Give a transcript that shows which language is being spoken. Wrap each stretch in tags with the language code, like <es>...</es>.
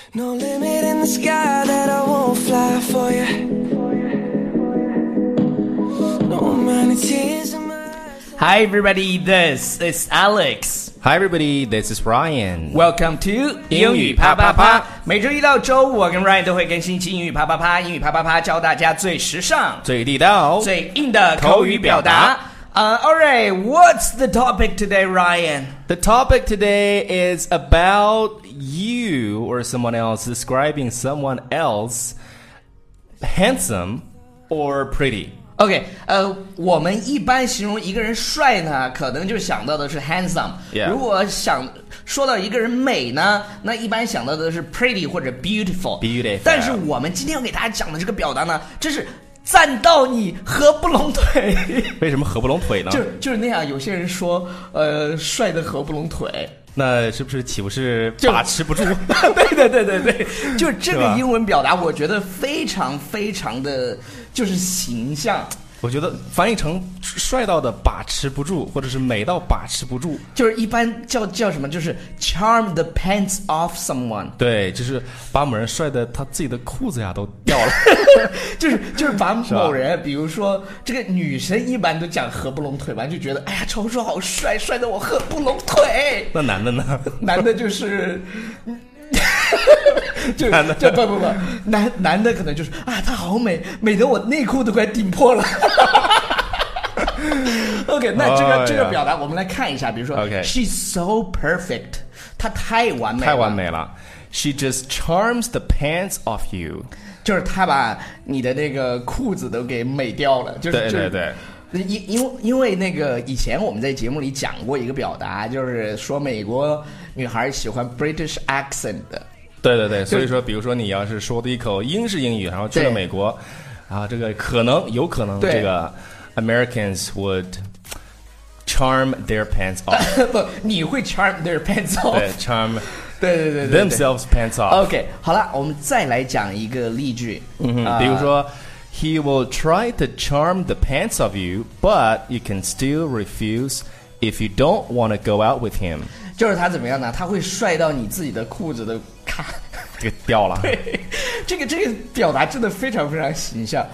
<en>No limit in the sky that I won't fly for you. No many tears in my eyes. Hi everybody, this is Alex. Hi everybody, this is Ryan. Welcome to</en> <zh>英语啪啪啪。每周一到周五，我跟 Ryan 都会更新一期英语啪啪啪。英语啪啪啪，教大家最时尚、最地道、最硬的口语表达。</zh> <en>Alright, what's the topic today, Ryan? The topic today is about you or someone else describing someone else handsome or pretty.</en> <zh>Okay, 我们一般形容一个人帅呢，可能就想到的是 handsome.</zh> <en>Yeah.</en> <zh>如果想说到一个人美呢，那一般想到的是 pretty 或者 beautiful.</zh> <en>Beautiful.</en> <zh>但是我们今天要给大家讲的这个表达呢，这是赞到你合不拢腿。为什么合不拢腿呢？就是那样，有些人说帅的合不拢腿，那是不是岂不是把持不住？对对对对对，就这个英文表达我觉得非常非常的就是形象。我觉得翻译成帅到的把持不住，或者是美到把持不住，就是一般叫什么，就是</zh> <en>charm the pants off someone。</en> <zh>对，就是把某人帅的他自己的裤子呀都掉了。就是把某人，比如说这个女生一般都讲合不拢腿吧，就觉得哎呀超叔好帅，帅的我合不拢腿。那男的呢？男的就是就不男的可能就是啊，她好美，美得我内裤都快顶破了。 OK， 那这个表达我们来看一下，比如说 OK，</zh> <en>she's so perfect，</en> <zh>她太完美了，太完美了。</zh> <en>She just charms the pants off you，</en> <zh>就是她把你的那个裤子都给美掉了，就是对对对。因为那个以前我们在节目里讲过一个表达，就是说美国女孩喜欢 British accent 的。对对对，所以说比如说你要是说的一口英式英语，然后去了美国，然后这个有可能这个</zh> <en>Americans would charm their pants off。</en> <zh>不，你会</zh> <en>charm their pants off。</en> <zh>对， charm 对</zh> <en>themselves pants off。</en> <zh>OK， 好了，我们再来讲一个例句。</zh> <en>比如说He will try to charm the pants off you, but you can still refuse if you don't want to go out with him.</en> <zh>就是他怎么样呢？他会帅到你自己的裤子都咔，这个掉了。对，这个表达真的非常非常形象。</zh>